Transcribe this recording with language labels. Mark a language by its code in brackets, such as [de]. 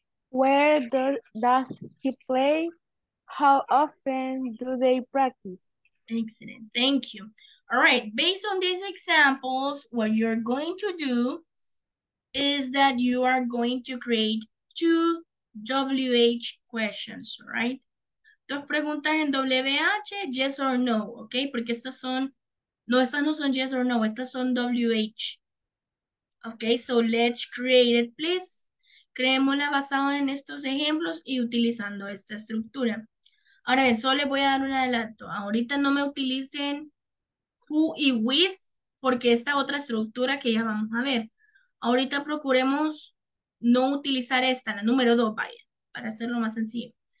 [en] Where does he play? How often do they practice? Excellent, thank you. All right, based on these examples, what you're going to do is that you are going to create two WH questions, right? [es] Dos preguntas en WH, [en] yes or no, okay? [es] Porque estas son, no, estas no son [en] yes or no, [es] estas son WH. [en] Okay, so let's create it, please. [es] Creémosla basado en estos ejemplos y utilizando esta estructura. Ahora, eso les voy a dar un adelanto. Ahorita no me utilicen who y with, porque esta otra estructura que ya vamos a ver. Ahorita procuremos no utilizar esta, la número 2, vaya, para hacerlo más sencillo.